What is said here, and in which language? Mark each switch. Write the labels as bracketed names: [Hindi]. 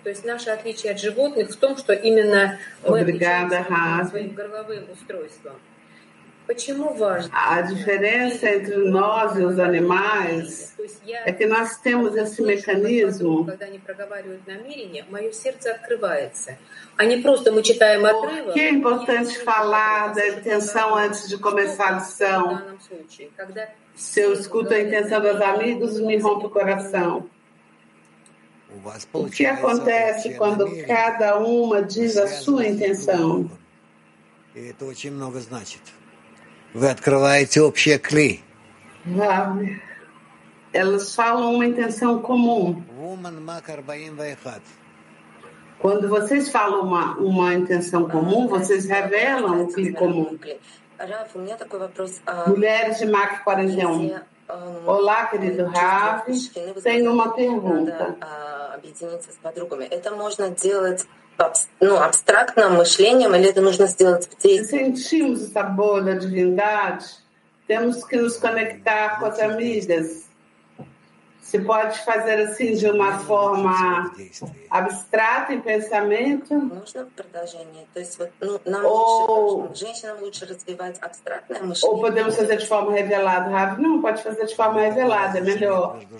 [Russian] То есть наше отличие от животных в том, что именно мы отличаемся своим горловым устройством. [Portuguese] A diferença entre nós e os animais é que nós temos esse mecanismo. Porque é importante falar da intenção antes de começar a lição. Se eu escuto a intenção dos amigos, me rompe o coração. O que acontece quando cada uma diz a sua intenção? E isso muito significa. [Russian] Вы открываете общее кли. [Portuguese] Elas falam uma intenção comum. [English] Woman Mak 41. [Portuguese] Quando vocês falam uma intenção comum, vocês revelam o кли comum. [Russian] Rav, у меня такой вопрос. [Portuguese] Mulheres de Mak 41. Olá, querido Rav. Tenho uma pergunta. [Russian] Объединиться с подругами. Это можно делать абстрактным мышлением, или это нужно сделать здесь? [Portuguese] Se sentimos essa bolha de divindade, temos que nos conectar com as amigas. Se pode fazer assim de uma forma abstrata em pensamento? [Russian] Нужно продолжение. То есть вот, нам лучше, женщинам лучше развивать абстрактное мышление. [Portuguese] Ou podemos fazer de forma revelada, Rav? Não, pode fazer de forma revelada, é melhor.